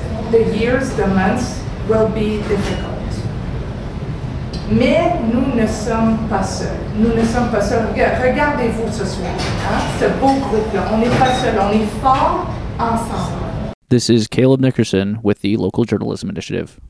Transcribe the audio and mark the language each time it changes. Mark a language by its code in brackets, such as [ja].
[en] The years, the months will be difficult. [fr] Mais nous ne sommes pas seuls. Nous ne sommes pas seuls. Regardez-vous ce soir, hein? Ce beau groupe-là. On n'est pas seuls. On est forts ensemble. [en] This is Caleb Nickerson with the Local Journalism Initiative.